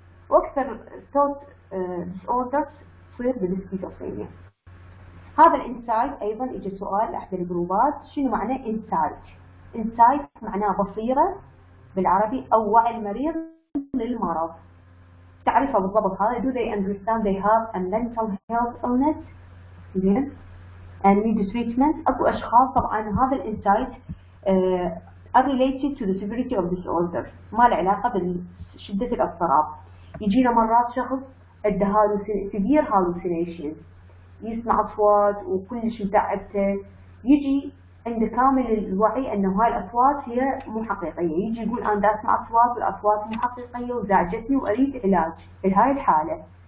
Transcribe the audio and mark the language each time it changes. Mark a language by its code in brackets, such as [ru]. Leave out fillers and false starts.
[ar] وأكثر thought disorders تصير بالسكيزوفرينيا. هذا الإنسايت أيضا إجى سؤال أحد الجروبات، شنو معنى إنسايت؟ إنسايت معناه بصيرة بالعربي أو وعي المريض للمرض، تعرفه بالضبط هذا. [en] Do they understand they have a mental health illness؟ [ar] زين؟ [en] and need treatment. [ar] أكو أشخاص طبعاً هذا الانسايت [en] are related to the severity of disorder، [ar] ما له علاقة بالشدة الاضطراب. يجينا مرات شخص عنده severe hallucinations، يسمع أصوات وكل شيء تعبته، يجي عنده كامل الوعي أنه هاي الأصوات هي مو حقيقية، يجي يقول أنا أسمع أصوات والأصوات مو حقيقية وزعجتني وأريد علاج لهاي الحالة.